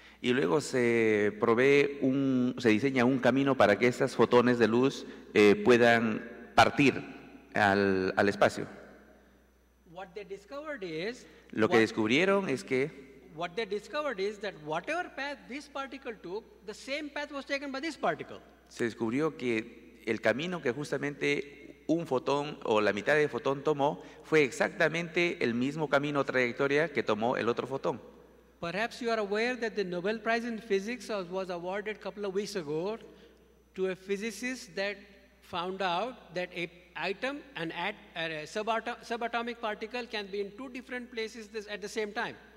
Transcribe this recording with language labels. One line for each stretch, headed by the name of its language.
Spanish: Y luego se diseña un camino para que estas fotones de luz puedan partir al espacio.
English: What they discovered is.
Spanish: Lo que descubrieron es que.
English: What they discovered is that whatever path this particle took, the same path was taken by this particle.
Spanish: Se descubrió que el camino que justamente un fotón o la mitad del fotón tomó fue exactamente el mismo camino o trayectoria que tomó el otro fotón.
English: Perhaps you are aware that the Nobel Prize in Physics was awarded a couple of weeks ago to a physicist that found out that a subatomic particle can be in two different places at the same time.